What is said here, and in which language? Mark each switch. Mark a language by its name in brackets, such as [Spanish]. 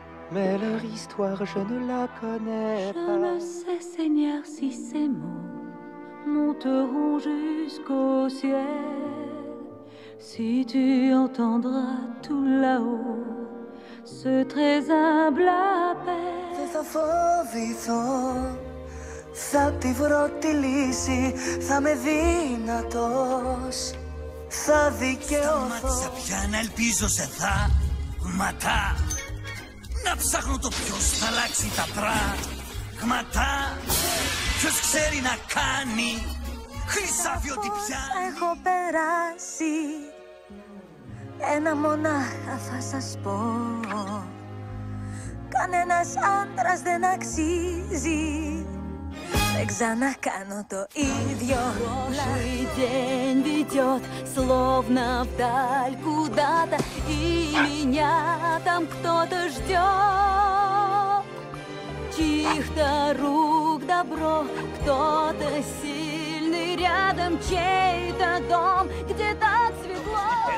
[French] Mais leur histoire, je ne la connais pas. Je ne sais, Seigneur, si ces mots monteront jusqu'au ciel. Si tu entendras tout là-haut ce très humble appel. [Greek] Δε θα φοβηθώ, θα τη βρω τη λύση. Θα είμαι δυνατός, θα δικαιωθώ. Σταμάτησα πια να ελπίζω σε θαύματα. Να ψάχνω το ποιος θα αλλάξει τα πράγματα. Ποιος ξέρει να κάνει χρυσάφι ό,τι πιάνει. Έχω περάσει. Ένα μονάχα θα σας πω. Κανένας άντρας δεν αξίζει. Δεν ξανακάνω το ίδιο. [Russian] Каждый день ведет, словно вдаль куда-то. И меня там кто-то ждет. Чьих-то рук добро, кто-то сильный рядом, чей-то дом, где так светло.